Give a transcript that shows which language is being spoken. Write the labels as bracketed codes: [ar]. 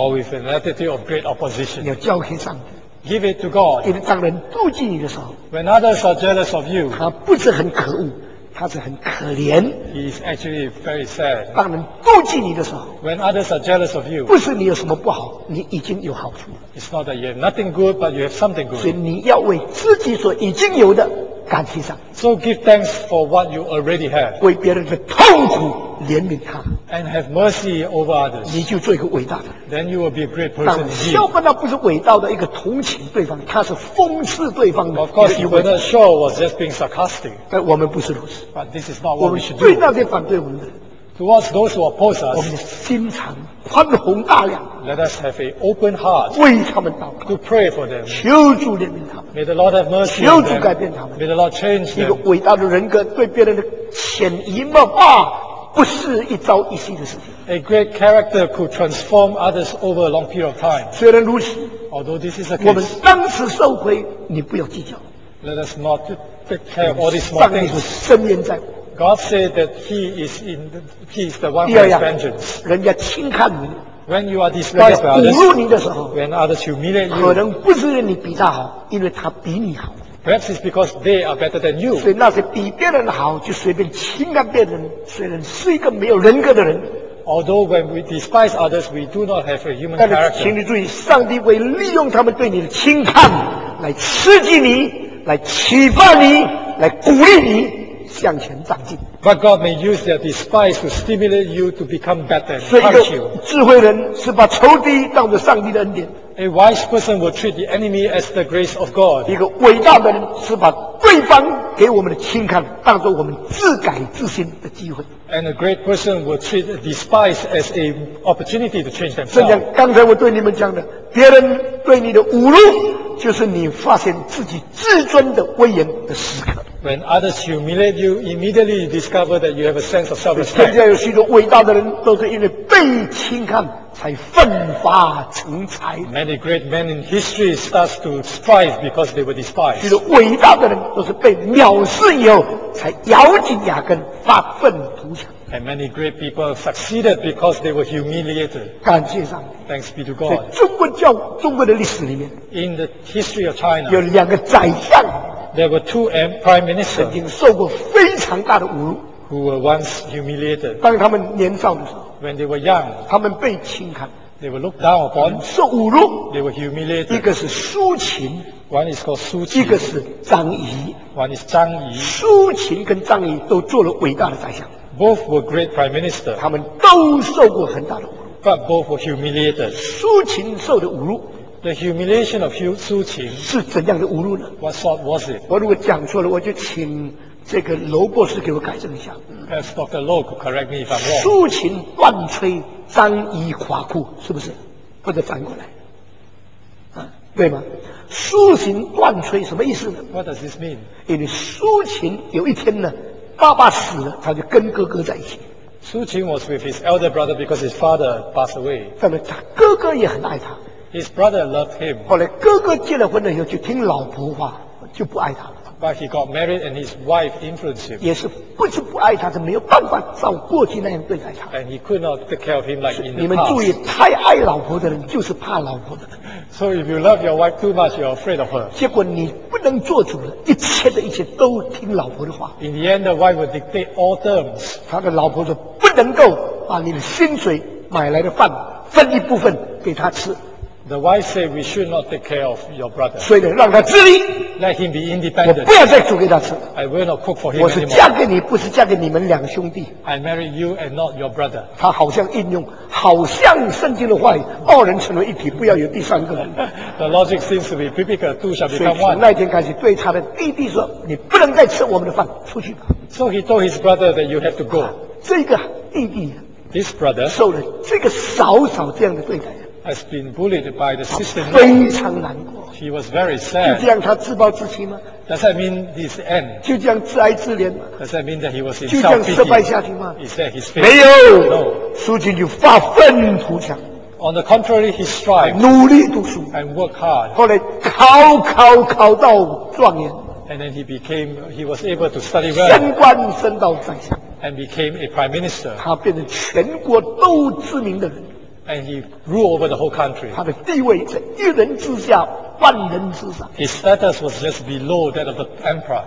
[en] Or with an attitude of great opposition. [zh] 要交给上帝。 [en] Give it to God. [zh] 因为当人妒忌你的时候 [en] ，When others are jealous of you, [zh] 他不是很可恶，他是很可怜。 [en] He is actually very sad. [zh] 当人妒忌你的时候 [en] ，When others are jealous of you, [zh] 不是你有什么不好，你已经有好处。 [en] It's not that you have nothing good, but you have something good. [zh] 所以你要为自己所已经有的感激上。 [en] So give thanks for what you already have. [zh] 为别人的痛苦。怜悯他 [en] ，and have mercy over others， [zh] 你就做一个伟大的。 [en] Then you will be a great person. [zh] 但肖邦那不是伟大的一个同情对方，他是讽刺对方的。 [en] Of course, Bernard Shaw was just being sarcastic. [zh] 但我们不是如此。 [en] But this is not what [zh] 我们是对那些反对我们的人。 [en] Towards those who oppose us， [zh] 我们心肠宽宏大量。 [en] Let us have an open heart. [zh] 为他们祷告。 [en] To pray for them. [zh] 求主怜悯他们。 [en] May the Lord have mercy. [zh] 求主改变他们。 [en] May the Lord change them. [zh] 一个伟大的人格对别人的潜移默化。不是一朝一夕的事情。 [en] A great character could transform others over a long period of time. [zh] 虽然如此 [en] ，although this is a case, [zh] 我们当时受亏，你不要计较。 [en] Let us not take care of all these small things. [zh] 上帝是深渊在。 [en] God said that He is the one who has vengeance. [zh] 人家轻看你。 [en] When you are despised by others, [zh] 侮辱你的时候 [en] ，when others humiliate you, [zh] 可能不是因为你比他好，因为他比你好。 [en] Perhaps it's because they are better than you. [zh] 所以那些比别人好就随便轻看别人，虽然是一个没有人格的人。 [en] Although when we despise others, we do not have a human character. [zh] 但是请你注意，上帝会利用他们对你的轻看，来刺激你，来启发你，来鼓励你向前长进。 [en] But God may use their despise to stimulate you to become better. [zh] 所以一个智慧人是把仇敌当作上帝的恩典。 [en] A wise person will treat the enemy as the grace of God. [zh] 一个伟大的人是把对方给我们的轻看当作我们自改自新的机会。 [en] And a great person will treat despise as an opportunity to change themselves. [zh] 正像刚才我对你们讲的，别人对你的侮辱，就是你发现自己自尊的威严的时刻。 [en] When others humiliate you, immediately you discover that you have a sense of self-respect. [zh] 现在有许多伟大的人都是因为被轻看才奋发成才。 [en] Many great men in history start to strive because they were despised. [zh] 许多伟大的人都是被藐视以后才咬紧牙根发奋图强。 [en] And many great people succeeded because they were humiliated. [zh] 感谢上帝。 [en] Thanks be to God. [zh] 在中国教中国的历史里面 [en] ，In the history of China, [zh] 有两个宰相。 [en] There were two prime ministers [zh] 曾经受过非常大的侮辱 [en] who were once humiliated. [zh] 当他们年少的时候 [en] when they were young, [zh] 他们被轻看 [en] they were looked down upon, [zh] 受侮辱 [en] they were humiliated. [zh] 一个是苏秦 [en] one is called 苏秦 [zh] 一个是张仪 [en] one is 张仪 [zh] 苏秦跟张仪都做了伟大的宰相 [en] both were great prime ministers. [zh] 他们都受过很大的侮辱 [en] but both were humiliated. [zh] 苏秦受的侮辱 [en] The humiliation of 苏秦 [zh] 是怎样的侮辱呢 [en] ？What sort was it？ [zh] 我如果讲错了，我就请这个罗博士给我改正一下。 [en] Perhaps Dr. Low could correct me if I'm wrong。 [zh] 苏秦乱吹张仪垮裤，是不是？或者反过来，啊，对吗？苏秦乱吹什么意思呢 [en] ？What does this mean？ [zh] 因为苏秦有一天呢，爸爸死了，他就跟哥哥在一起。 [en] 苏秦 was with his elder brother because his father passed away。 [zh] 那么他哥哥也很爱他。 [en] His brother loved him. [zh] 后来哥哥结了婚了以后，就听老婆话，就不爱他了。 [en] But he got married and his wife influenced him. [zh] 也是不是不爱他，是没有办法照过去那样对待他。 [en] And he could not take care of him like in the past. [zh] 你们注意，太爱老婆的人就是怕老婆的。 [en] So if you love your wife too much, you're afraid of her. [zh] 结果你不能做主了，一切的一切都听老婆的话。 [en] In the end, the wife would dictate all terms. [zh] 他的老婆说，不能够把你的薪水买来的饭分一部分给他吃。 [en] The wife said we should not take care of your brother. [zh] 所以呢，让他自立。 [en] Let him be independent. [zh] 我不要再煮给他吃。 [en] I will not cook for him anymore. [zh] 我是嫁给你，不是嫁给你们两兄弟。 [en] I marry you and not your brother. [zh] 他好像应用，好像圣经的话语，二人成为一体，不要有第三个人。 [en] The logic seems to be biblical. Two shall become one. [zh] 所以从那天开始，对他的弟弟说：“你不能再吃我们的饭，出去吧。” [en] So he told his brother that you have to go. [zh] 这个弟弟 [en] ，this brother， [zh] 受了这个嫂嫂这样的对待。 [en] Has been bullied by the system. [zh] 非常难过。 [en] He was very sad. [zh] 就这样，他自暴自弃吗 [en] ？Does that mean his end? [zh] 就这样自哀自怜吗 [en] ？Does that mean that he was in self-pity? [zh] 就这样失败下去吗 [en] ？He said he's failed. [zh] 没有。 [en] No. [zh] 苏秦就发愤图强。 [en] On the contrary, he strived. [zh] 努力读书。 [en] And work hard. [zh] 后来考到状元。 [en] And then he was able to study well. [zh] 升官升到宰相。 [en] And became a prime minister. [zh] 他变成全国都知名的人。 [en] And he ruled over the whole country. [zh] 他的地位在一人之下，万人之上。 [en] His status was just below that of the emperor.